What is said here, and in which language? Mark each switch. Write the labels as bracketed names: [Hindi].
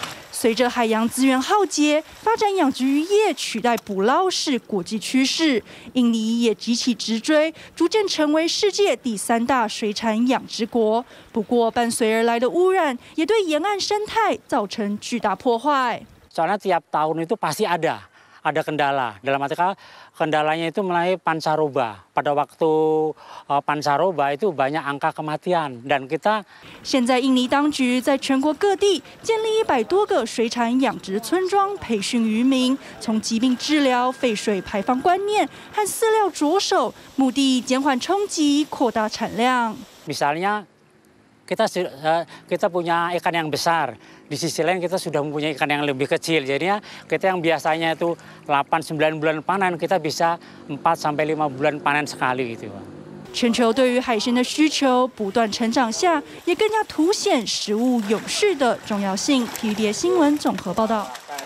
[Chinese] 随着海洋资源耗竭，发展养殖渔业取代捕捞是国际趋势。印尼也急起直追，逐渐成为世界第三大水产养殖国。不过，伴随而来的污染也对沿岸生态造成巨大破坏。 [Indonesian] Soalnya tiap tahun itu pasti ada kendala dalam arti kendalanya itu mulai pancaroba. Pada waktu pancaroba itu banyak angka kematian dan kita. [Chinese] 现在印尼当局在全国各地建立100多个水产养殖村庄，培训渔民，从疾病治疗、废水排放观念和饲料着手，目的减缓冲击，扩大产量。 [Indonesian] Misalnya kita punya ikan yang besar. Di sisi lain kita sudah mempunyai ikan yang lebih kecil, jadinya kita yang biasanya itu 8-9 bulan panen kita bisa 4-5 bulan panen sekali gitu. [Chinese] 全球对于海鲜的需求不断成长下，也更加凸显食物永续的重要性。TVBS 新闻综合报道。